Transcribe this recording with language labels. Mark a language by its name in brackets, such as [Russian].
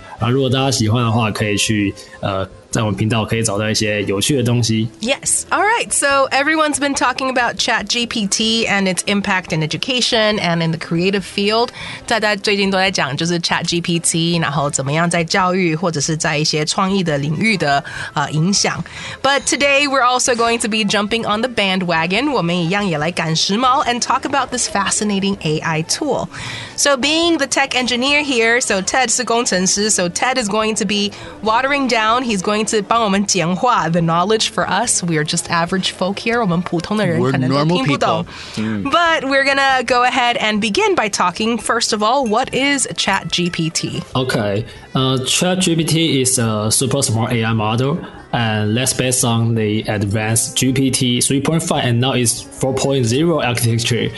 [Chinese] 啊，如果大家喜欢的话，可以去在我们频道可以找到一些有趣的东西。 [English] Yes. All right. So everyone's been talking about ChatGPT and its impact in education and in the creative field. [Chinese] 大家最近都在讲就是 ChatGPT, 然后怎么样在教育或者是在一些创意的领域的影响。 [English] But today we're also going to be jumping on the bandwagon. [Chinese] 我们一样也来赶时髦 and talk about this fascinating AI tool. [English] So being the tech engineer here, so Ted 是工程师 so Ted is going to be watering down. He's going to 帮我们简化 the knowledge for us. We are just average folk here. [Chinese] 我们普通的人可能都听不懂。 [English] But we're going to go ahead and begin by talking. First of all, what is ChatGPT? Okay. ChatGPT is a super smart AI model. And that's based on the advanced GPT 3.5 and now it's 4.0 architecture.